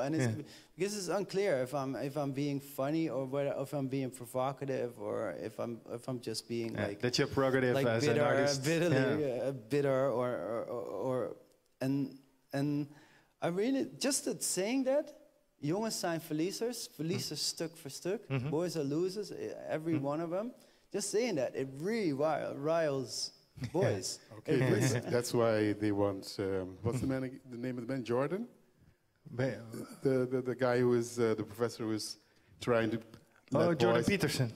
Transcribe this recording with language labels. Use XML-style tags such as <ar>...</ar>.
<en>And because it's unclear if I'm being funny or whether if I'm being provocative or if I'm just being like that's your prerogative like as bitter, an artist. Bitter, and I really just saying that.</en> <nl>Jongens zijn verliezers, verliezers stuk voor stuk. Mm-hmm.</nl> <en>Boys are losers, every one of them. Just saying that it really riles. Boys. Okay. Yeah. That's why they want. What's the man? The name of the man? Jordan. The guy who is the professor who is trying to... Oh, Jordan Peterson.</en>